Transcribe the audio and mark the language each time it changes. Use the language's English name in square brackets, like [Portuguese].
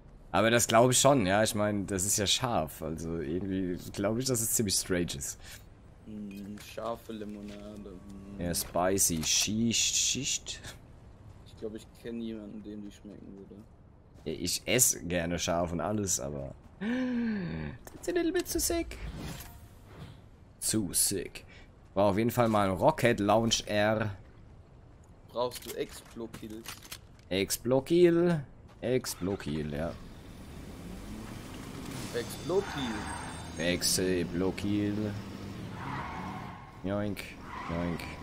[German] Aber das glaube ich schon, ja, ich meine, das ist ja scharf, also irgendwie glaube ich, dass es ziemlich strange ist. Scharfe Limonade. Ja, spicy, schicht, schicht. Ich glaube, ich kenne jemanden, dem die schmecken würde. Ja, ich esse gerne scharf und alles, aber... [English] That's a little bit too sick. Too sick. [German] Brauche auf jeden Fall mal ein Rocket Lounge R. Brauchst du Explokill? Explokill? Explokill, ja. Explokill? Explokill. Joink, joink.